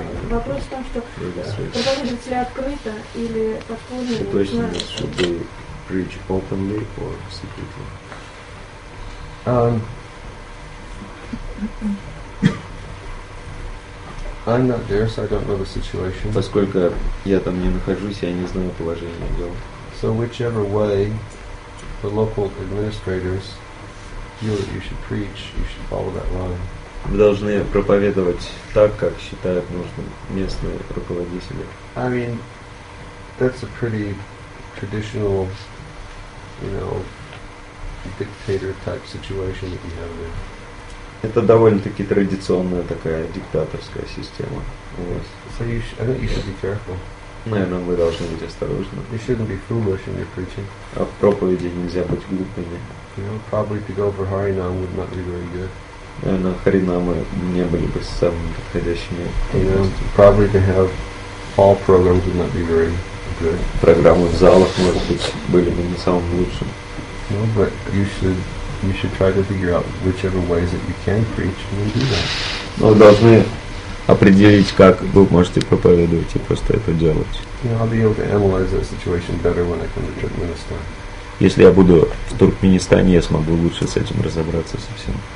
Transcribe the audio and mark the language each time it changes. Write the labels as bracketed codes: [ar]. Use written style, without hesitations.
[ru] Вопрос в том, что проповедители открыто или подпольно. [en] Situation is, should they preach openly or secretly? I'm not there, so I don't know the situation. [ru] Поскольку я там не нахожусь, я не знаю положение дел. [en] So whichever way the local administrators feel that you should preach, you should follow that line. [ru] Вы должны проповедовать так, как считают нужным местные руководители. [en] I mean, that's a pretty traditional, you know, dictator type situation that you have there. [ru] Это довольно-таки традиционная такая диктаторская система у вас. [en] So you I think you should be careful. [ru] Наверное, вы должны быть осторожны. [en] You shouldn't be foolish in your preaching. [ru] А в проповеди нельзя быть глупыми. [en] You know, probably to go for Харинам would not be very good. [ru] Наверное, Харинамы не были бы самыми подходящими. [en] You know, probably to have hall programs would not be very good. [ru] Программы в залах, может быть, были бы не самым лучшим. [en] No, but you should try to figure out whichever ways that you can preach and then do that. [ru] Но вы должны определить, как вы можете проповедовать и просто это делать. Если я буду в Туркменистане, я смогу лучше с этим разобраться совсем.